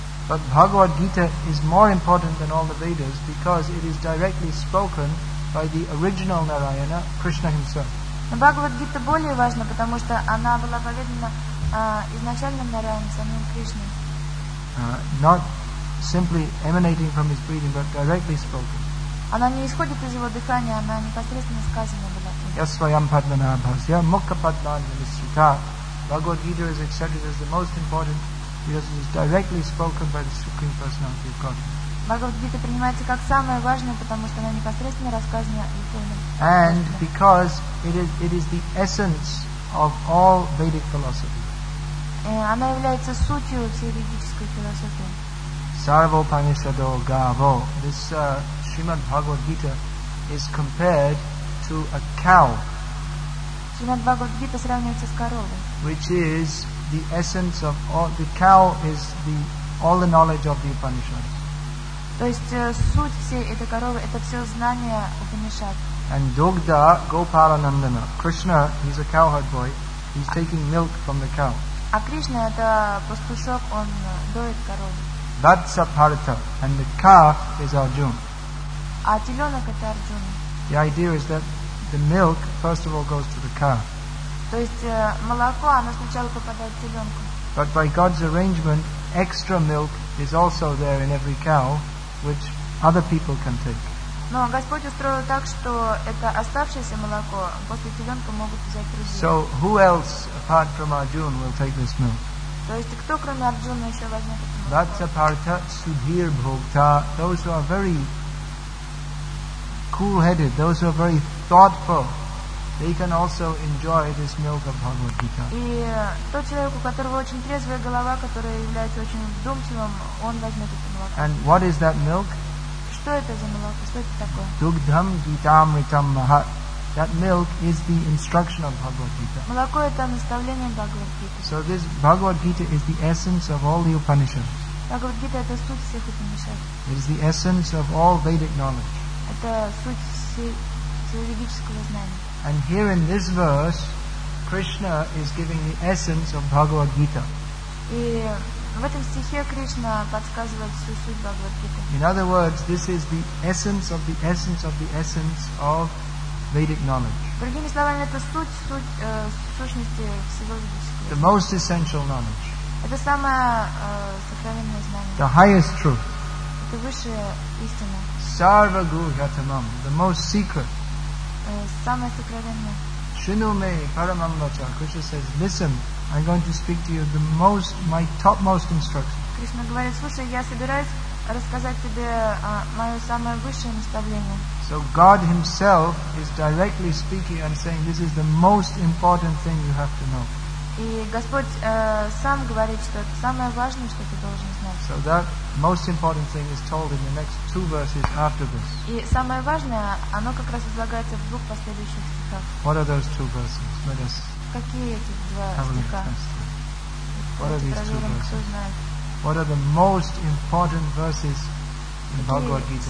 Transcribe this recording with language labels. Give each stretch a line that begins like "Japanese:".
English: But Bhagavad Gita is more important than all the Vedas because it is directly spoken by the original Narayana, Krishna himself.
Russian: Но Бхагавад Гита более важна, потому что она была поведена изначальным Нараяной, самим Кришной.
English: Not simply emanating from his breathing, but directly spoken.
Russian: Она не исходит из его дыхания, она непосредственно сказана была.
Sanskrit: Yasvayam padmana bhasya mukha padmana nisrita.
English: Bhagavad Gita is accepted as the most important because it is directly spoken by the Supreme Personality of Godhead.
Russian: Бхагавад-гита принимается как самое важное, потому что она непосредственно рассказана Верховным.
English: And because it is the essence of all Vedic philosophy.
Russian: Она является сутью всей ведической философии.
Sanskrit: Sarva Upanishado Gavo.
English: This Srimad Bhagavad-gita is compared to a cow.
Russian: Srimad Bhagavad-gita сравнивается с коровой.
English: Which is the essence of all, the cow is the all the knowledge of the Upanishads.
Russian: То есть суть всей этой коровы это все знания Упанишад.
Sanskrit: And Dugda Gopala Nandana.
English: Krishna, he's a cowherd boy. He's taking milk from the cow.
Russian: А Кришна это пастушок, он доит корову.
Sanskrit: Vatsa Paritha.
English: And the calf is Arjuna.
Russian: А теленок это Арджуна.
English: The idea is that the milk first of all goes to the calf.
Russian: То есть молоко, оно сначала попадает в теленку.
English: But by God's arrangement, extra milk is also there in every cow, which other people can take.
Russian: Но Господь устроил так, что это оставшееся молоко после теленка могут взять другие.
English: So who else apart from Arjuna will take this milk?
Russian: То есть кто кроме Арджуны еще возьмет это молоко?
Sanskrit: Vatsa Paritha, Sudhir Bhokta,
English: those who are very cool-headed, those who are very thoughtful. They can also enjoy this milk of Bhagavad Gita.
Russian: И тот человек, у которого очень трезвая голова, который является очень вдумчивым, он возьмет это молоко.
English: And what is that milk?
Russian: Что это за молоко? Что это такое?
Sanskrit: Dugdham Gitamritam Mahat.
English: That milk is the instruction of Bhagavad Gita.
Russian: Молоко это наставление Бхагавад Гита.
English: So this Bhagavad Gita is the essence of all the Upanishads.
Russian: Бхагавад Гита это суть всех Упанишад.
English: It is the essence of all Vedic knowledge.
Russian: Это суть всего ведического знания.
English: And here in this verse, Krishna is giving the essence of Bhagavad Gita.
Russian: И в этом стихе Кришна подсказывает всю суть Бхагавад Гита.
English: In other words, this is the essence of the essence of the essence of Vedic knowledge.
Russian: Другими словами, это суть сущности всего ведического.
English: The most essential knowledge.
Russian: Это самое сокровенное знание.
English: The highest truth.
Russian: Это высшая истина.
Sanskrit: Sarva Guhyatamam,
English: the most secret.
Russian: Самое сокровенное.
Sanskrit: Шинуме Парамамбача.
English: Krishna says, listen, I'm going to speak to you the most, my topmost instruction.
Russian: Кришна говорит, слушай, я собираюсь рассказать тебе мое самое высшее наставление.
English: So God himself is directly speaking and saying, this is the most important thing you have to know.
Russian: И Господь сам говорит, что это самое важное, что ты должен знать.
English: So that most important thing is told in the next two verses after this.
Russian: И самое важное, оно как раз излагается в двух последующих стихах.
English: What are those two verses? Let us
Russian: Какие эти два стиха?
English: What are these two verses? What are the most important verses in Bhagavad Gita?